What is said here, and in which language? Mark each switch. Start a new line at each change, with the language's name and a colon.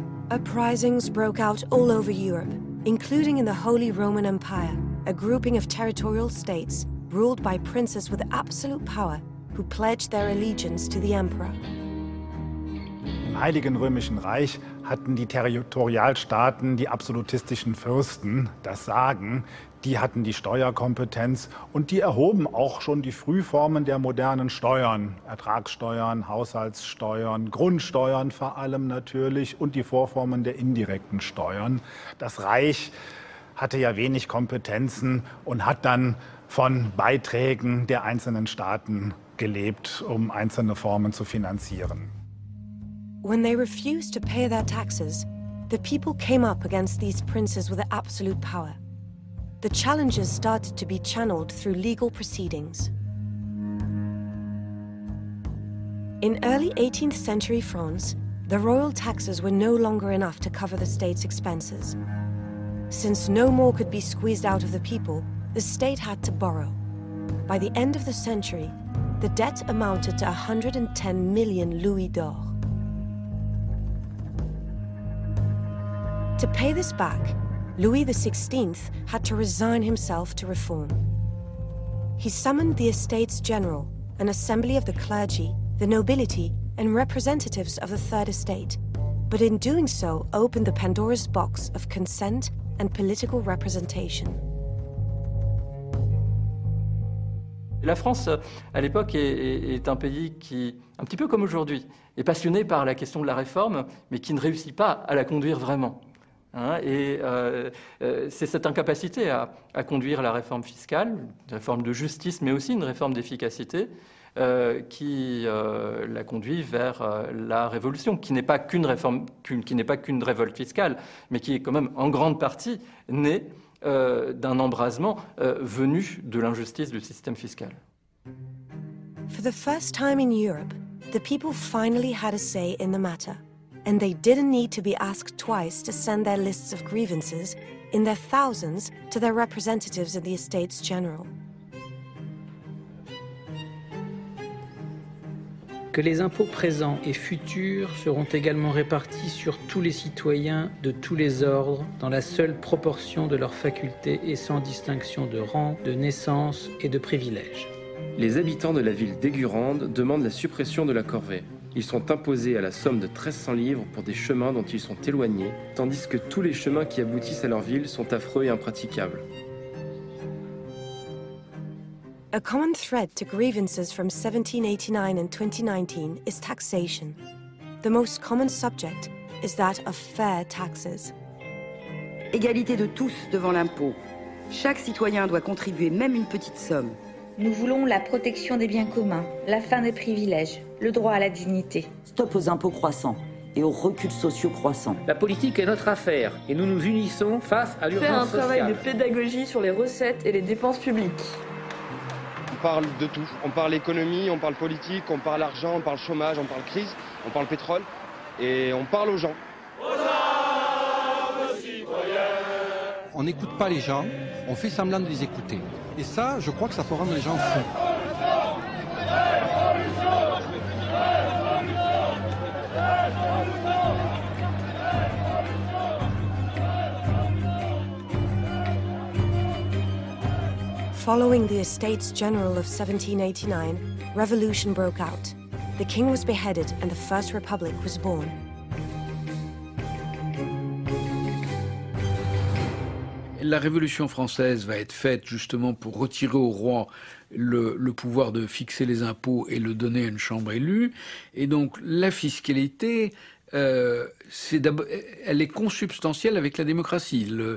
English: Uprisings broke out all over Europe, including in the Holy Roman Empire, a grouping of territorial states ruled by princes with absolute power, who pledged their allegiance to the emperor.
German: Im Heiligen Römischen Reich hatten die Territorialstaaten, die absolutistischen Fürsten, das Sagen. Die hatten die Steuerkompetenz und die erhoben auch schon die Frühformen der modernen Steuern. Ertragssteuern, Haushaltssteuern, Grundsteuern vor allem natürlich und die Vorformen der indirekten Steuern. Das Reich hatte ja wenig Kompetenzen und hat dann von Beiträgen der einzelnen Staaten gelebt, um einzelne Formen zu finanzieren.
English: When they refused to pay their taxes, the people came up against these princes with absolute power. The challenges started to be channeled through legal proceedings. In early 18th century France, the royal taxes were no longer enough to cover the state's expenses. Since no more could be squeezed out of the people, the state had to borrow. By the end of the century, the debt amounted to 110 million louis d'or. To pay this back, Louis XVI had to resign himself to reform. He summoned the Estates General, an assembly of the clergy, the nobility, and representatives of the Third Estate, but in doing so opened the Pandora's box of consent and political representation.
French: La France, à l'époque, est un pays qui, un petit peu comme aujourd'hui, est passionné par la question de la réforme, mais qui ne réussit pas à la conduire vraiment. C'est cette incapacité à conduire la réforme fiscale, une réforme de justice, mais aussi une réforme d'efficacité, qui la conduit vers la révolution, qui n'est pas qu'une réforme, qui n'est pas qu'une révolte fiscale, mais qui est quand même en grande partie née d'un embrasement venu de l'injustice du système fiscal.
English: For the first time in Europe, the people finally had a say in the matter, and they didn't need to be asked twice to send their lists of grievances in their thousands to their representatives in the Estates General.
French: Que les impôts présents et futurs seront également répartis sur tous les citoyens de tous les ordres, dans la seule proportion de leurs facultés et sans distinction de rang, de naissance et de privilège. Les habitants de la ville d'Aigurande demandent la suppression de la corvée. Ils sont imposés à la somme de 1300 livres pour des chemins dont ils sont éloignés, tandis que tous les chemins qui aboutissent à leur ville sont affreux et impraticables.
English: A common thread to grievances from 1789 and 2019 is taxation. The most common subject is that of fair taxes.
French: Égalité de tous devant l'impôt. Chaque citoyen doit contribuer même une petite somme. Nous voulons la protection des biens communs, la fin des privilèges, le droit à la dignité. Stop aux impôts croissants et aux reculs sociaux croissants. La politique est notre affaire et nous nous unissons face à l'urgence Faire un travail de pédagogie sur les recettes et les dépenses publiques. On parle de tout. On parle économie, on parle politique, on parle argent, on parle chômage, on parle crise, on parle pétrole et on parle aux gens. Aux armes, citoyens. On n'écoute pas les gens, on fait semblant de les écouter. Et ça, je crois que ça peut rendre les gens fous. Révolution !
English: Following the Estates General of 1789, revolution broke out. The king was beheaded and the First Republic was born.
French: La Révolution française va être faite justement pour retirer au roi le pouvoir de fixer les impôts et le donner à une chambre élue. Et donc la fiscalité, elle est consubstantielle avec la démocratie.